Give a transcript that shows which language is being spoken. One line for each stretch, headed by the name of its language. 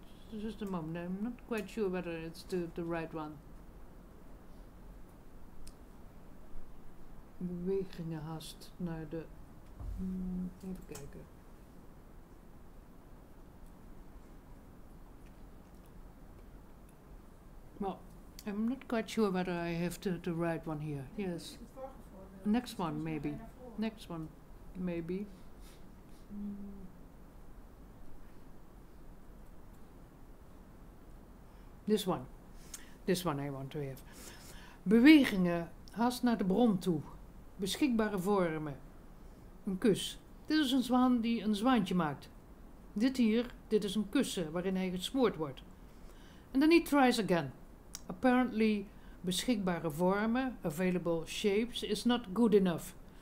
English: Just a moment, I'm not quite sure whether it's the right one.
Dutch: Bewegingen haast naar de... even kijken.
English: Well, I'm not quite sure whether I have the right one here. Yes. Next one, maybe. Next one, maybe. This one I want to have.
Dutch: Bewegingen haast naar de bron toe. Beschikbare vormen. Een kus. Dit is een zwaan die een zwaantje maakt. Dit hier, dit is een kussen waarin hij gesmoord wordt.
English: And then he tries again. Apparently,
Dutch: beschikbare vormen,
English: available shapes, is not good enough.